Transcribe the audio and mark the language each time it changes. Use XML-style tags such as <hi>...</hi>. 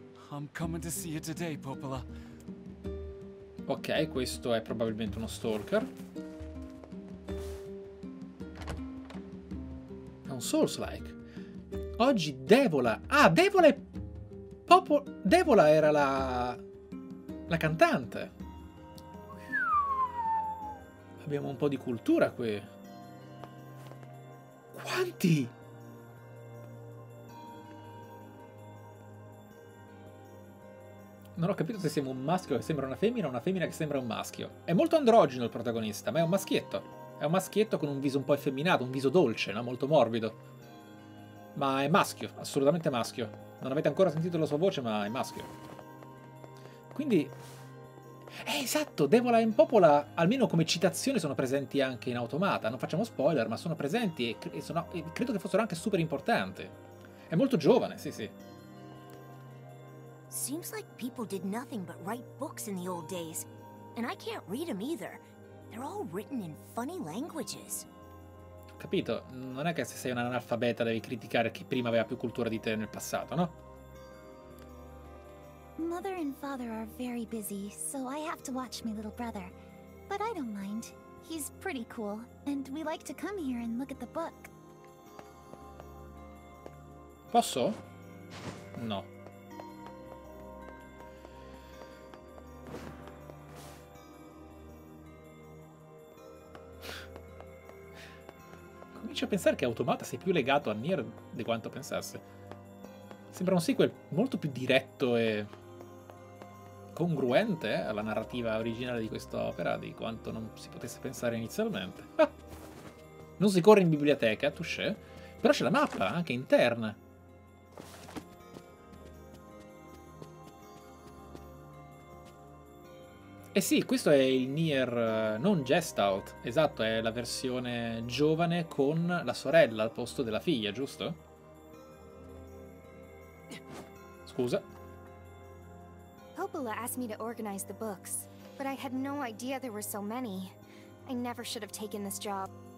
<en>I'm coming to see you today, Popola.</en> <it>Ok, questo è probabilmente uno stalker. È un Souls-like. Oggi Devola. Ah, Devola è. Devola era la. La cantante. Abbiamo un po' di cultura qui. Quanti? Non ho capito se siamo un maschio che sembra una femmina o una femmina che sembra un maschio. È molto androgino il protagonista, ma è un maschietto. È un maschietto con un viso un po' effeminato, un viso dolce, no? Molto morbido. Ma è maschio, assolutamente maschio. Non avete ancora sentito la sua voce, ma è maschio. Quindi... esatto, Devola e Popola, almeno come citazione, sono presenti anche in Automata. Non facciamo spoiler, ma sono presenti e credo che fossero anche super importanti. È molto giovane, sì, sì.</it> <en>Seems like people did nothing but write books in the old days, and I can't read them either. They're all written in funny languages.</en> <it>Capito, non è che se sei un analfabeta devi criticare chi prima aveva più cultura di te nel passato, no?</it> <en>Mother and father are very busy, so I have to watch my little brother. But I don't mind. He's pretty cool, and we like to come here and look at the book.</en> <it>Posso? No. Comincio a pensare che Automata sia più legato a Nier di quanto pensasse. Sembra un sequel molto più diretto e... congruente alla narrativa originale di quest'opera di quanto non si potesse pensare inizialmente. Non si corre in biblioteca, touché, però c'è la mappa, anche interna. Eh sì, questo è il Nier non Gestalt, esatto, è la versione giovane con la sorella al posto della figlia, giusto? Scusa.</it> <en>Popola asked me to organize the books, but I had no idea there were so many. I never should have taken this job.</en>